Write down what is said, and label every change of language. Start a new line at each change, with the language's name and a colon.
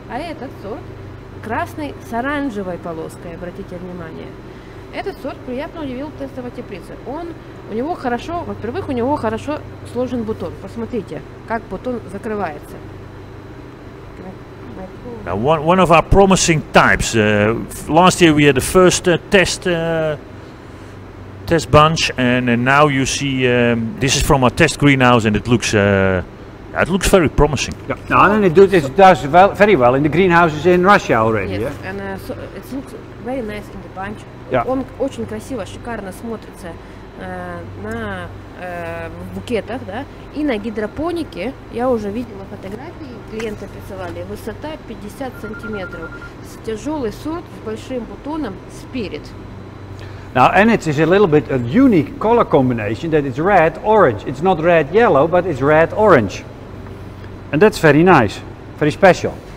Russian: А этот сорт красный с оранжевой полоской, обратите внимание. Этот сорт приятно удивил в тестовой теплице. Во-первых, у него хорошо сложен бутон. Посмотрите, как бутон закрывается.
English: Now, one of our promising types. Last year we had the first test bunch, and now you see this is from our test greenhouse, and it looks very promising. Yeah. No, and it does very well in the greenhouses in Russia already. Yes, yeah? And so it looks very nice in the bunch. Yeah.
Russian: Он очень красиво, шикарно смотрится на букетах, да, и на гидропонике. Я уже видела фотографии. Клиенты присылали, высота 50 сантиметров, тяжелый сорт с большим бутоном, Spirit.
English: Now, and it is a little bit a unique color combination that it's red orange. It's not red yellow, but it's red orange, and that's very nice, very special.